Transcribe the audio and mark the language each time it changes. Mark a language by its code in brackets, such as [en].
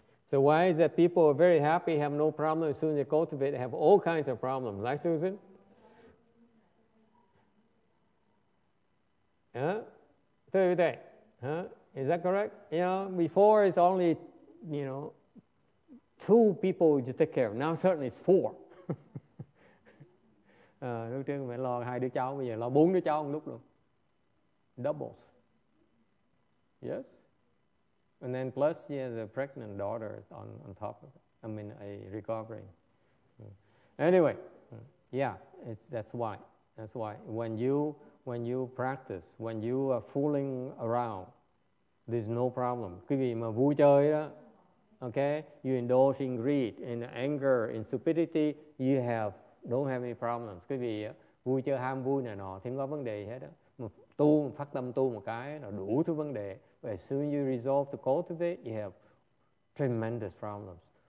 [en] So why is that people are very happy, have no problem, as soon as they cultivate, they have all kinds of problems, right, Susan? Huh? Is that correct? Yeah, before it's only, you know, two people to take care of. Now certainly it's four. [vi] Lúc trước mẹ lo hai đứa cháu, bây giờ lo bốn đứa cháu một lúc luôn. [en] Doubles. Yes? And then plus he has a pregnant daughter on top of it. I mean, a recovering. Anyway, yeah, that's why when you practice, when you are fooling around, there's no problem. [vi] Quý vị mà vui chơi đó, okay? [en] You indulge in greed, in anger, in stupidity. You don't have any problems. [vi] Quý vị vui chơi ham vui này nọ, thì không có vấn đề hết đó. Mà tu, phát tâm tu một cái là đủ thứ vấn đề. [en] As soon as you resolve to cultivate, you have tremendous problems.